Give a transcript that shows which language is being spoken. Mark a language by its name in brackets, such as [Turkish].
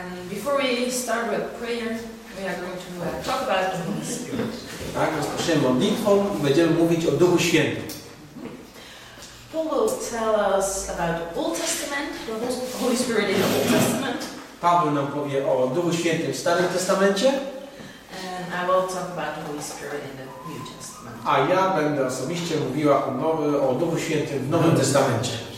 [English] Before we start with prayer, we are going to talk about the Holy Spirit. [Polish] Tak, rozpoczniemy modlitwą i będziemy mówić o Duchu Świętym. [English] Paul will tell us about the Old Testament, the Holy Spirit in the Old Testament. [Polish] Paweł nam powie o Duchu Świętym w Starym Testamencie. [English] And I will talk about the Holy Spirit in the New Testament. [Polish] A ja będę osobiście mówiła o Duchu Świętym w Nowym Testamencie.